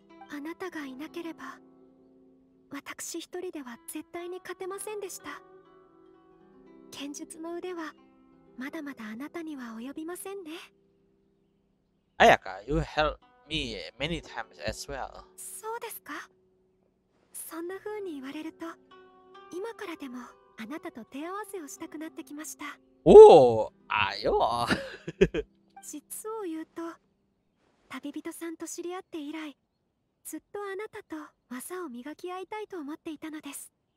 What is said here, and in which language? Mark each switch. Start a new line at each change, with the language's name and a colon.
Japanese: あなたがいなければ、私一人では絶対に勝てませんでした。剣術の腕はまだまだあなたには及びませんね。
English: あやか、You helped me many times as well.
Japanese: そうですか。そんな風に言われると、今からでもあなたと手合わせをしたくなってきました。おお、あよ。実を言うと、旅人さんと知り合って以来、ずっとあなたと技を磨き合いたいと思っていたのです。